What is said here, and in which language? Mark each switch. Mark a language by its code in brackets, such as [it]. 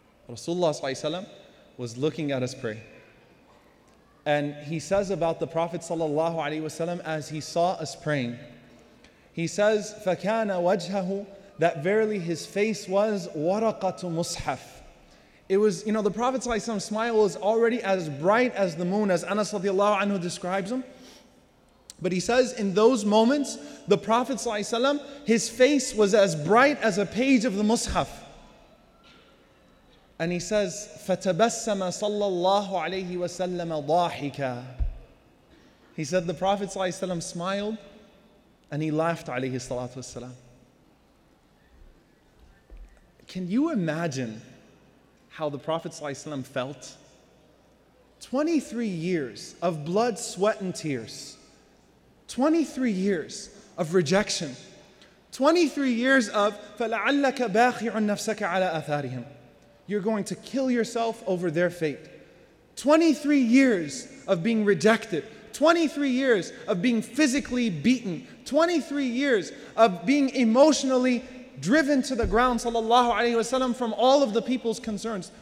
[en] Rasulullah ﷺ was looking at us pray. And he says about the Prophet ﷺ, as he saw us praying, he says, [ar] فَكَانَ وَجْهَهُ, [en] that verily his face was [ar] وَرَقَةُ مُصْحَف. [en] It was, you know, the Prophet ﷺ's smile was already as bright as the moon, as Anas radiallahu anhu describes him. But he says, in those moments, the Prophet ﷺ, his face was as bright as a page of the Mus'haf. [ar] And he says, فَتَبَسَّمَ صَلَّى اللَّهُ عَلَيْهِ وَسَلَّمَ ضَاحِكَ. [en] He said, the Prophet ﷺ smiled and he laughed [ar] عليه الصلاة والسلام. [en] Can you imagine how the Prophet ﷺ felt? 23 years of blood, sweat, and tears. 23 years of rejection. 23 years of [ar] فَلَعَلَّكَ بَاخِعٌ نَفْسَكَ عَلَىٰ أَثَارِهِمْ. [en] You're going to kill yourself over their fate. 23 years of being rejected. 23 years of being physically beaten. 23 years of being emotionally driven to the ground, sallallahu alayhi wasallam, from all of the people's concerns.